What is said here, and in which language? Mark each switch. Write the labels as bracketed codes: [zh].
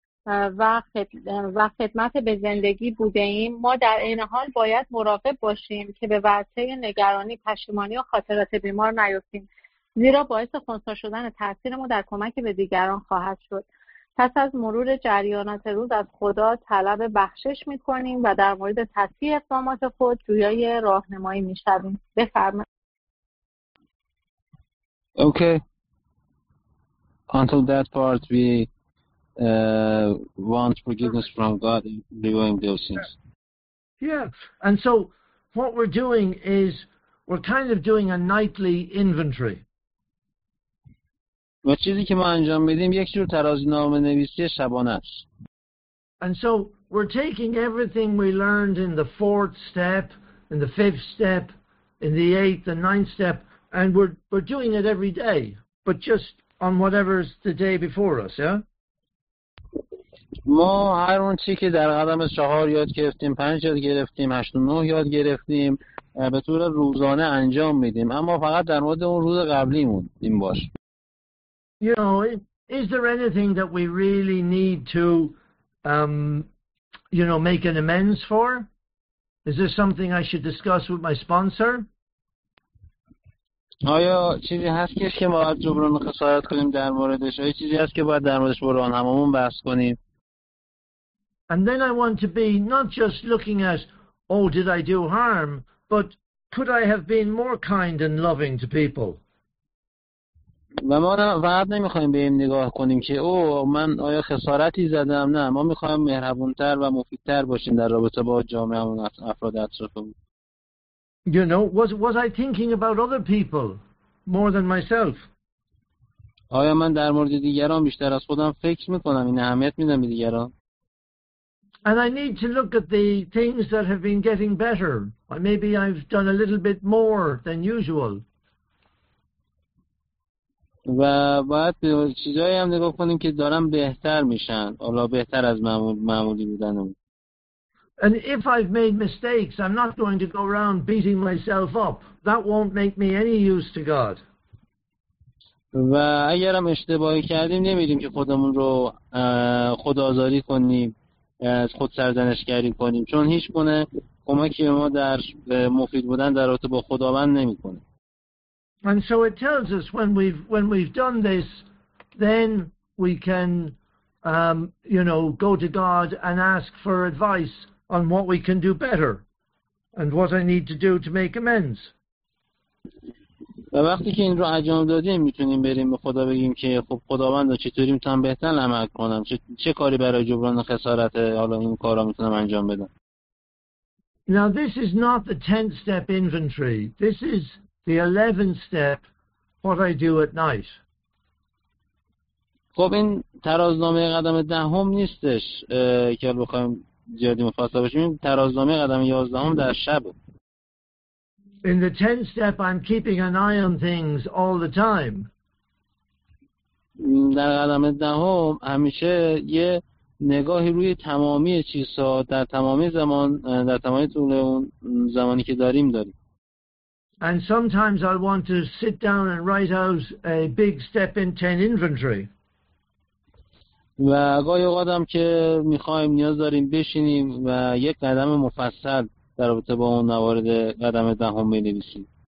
[fa] و خدمت به زندگی بوده ایم؟ ما در این حال باید مراقب باشیم که به ورطه نگرانی، پشیمانی و خاطرات بیمار نیفتیم، زیرا باعث خونسا شدن تأثیر ما در کمک به دیگران خواهد شد. پس از مرور جریانات روز از خدا طلب بخشش می کنیم و در مورد تصحیح اقدامات خود جویای راهنمایی می شویم. بفرمایید. [en] Okay. Until that part we want forgiveness from God in doing those things. Yeah, and so what we're doing is we're kind of doing a nightly inventory. [fa] و چیزی که ما انجام میدیم یک جور ترازینامه نویسی شبانه است. [en] And so we're taking everything we learned in the fourth step, in the fifth step, in the eighth, the ninth step, and we're doing it every day, but just on whatever's the day before us, yeah? [fa] ما هر اون چی که در قدم 4 یاد گرفتیم، 5 یاد گرفتیم، 8 و 9 یاد گرفتیم، به طور روزانه انجام میدیم، اما فقط در مورد اون روز قبلیمون این باش. [en] You know, is there anything that we really need to, you know, make an amends for? Is there something I should discuss with my sponsor? [fa] آیا چیزی هست که ما باید جبران خسارت کنیم در موردش؟ آیا چیزی هست که باید در موردش بران هممون بحث کنیم؟ [en] And then I want to be not just looking at, oh, did I do harm, but could I have been more kind and loving to people? [fa] و ما فقط نمیخوایم به این نگاه کنیم که او من آیا خسارتی زدم، نه، ما میخوایم مهربونتر و مفیدتر باشیم در رابطه با جامعه و افراد اطرافمون. [en] You know, was I thinking about other people more than myself? [fa] آیا من در مورد دیگران بیشتر از خودم فکر میکنم، این اهمیت میدم به دیگران؟ [en] And I need to look at the things that have been getting better. Maybe I've done a little bit more than usual. [fa] و باید به چیزایی هم نگاه کنیم که دارن بهتر میشن، حالا بهتر از معمولی بودنمون. [en] And if I've made mistakes, I'm not going to go around beating myself up. That won't make me any use to God. [fa] و اگرم اشتباهی کردیم نمیریم که خودمون رو خودآزاری کنیم، از خود سرزنشگری کنیم، چون هیچ گونه کمکی به ما در مفید بودن در رابطه با خداوند نمیکنه. [en] And so it tells us when we've done this, then we can, you know, go to God and ask for advice on what we can do better and what I need to do to make amends. [fa] و وقتی که این رو انجام دادیم میتونیم بریم به خدا بگیم که خب خداوند چطوری میتونم بهتر عمل کنم، چه کاری برای جبران خسارت حالا این کارا میتونم انجام بدم. [en] Now this is not the 10th step inventory. This is the 11th step, what I do at night. [fa] خب این ترازنامه قدم دهم نیستش که بخوایم زیادی مفصل باشیم، این ترازنامه قدم 11 در شب. [en] In the 10th step, I'm keeping an eye on things all the time. [fa] در قدم دهم همیشه یه نگاهی روی تمامی چیزها در تمامی زمان، در تمامی طول اون زمانی که داریم داریم. [en] And sometimes I want to sit down and write out a big step in 10 inventory. [fa] و گاهی اوقات هم که میخوایم نیاز داریم بشینیم و یک قدم مفصل در رابطه با اون موارد قدم دهم بنویسیم.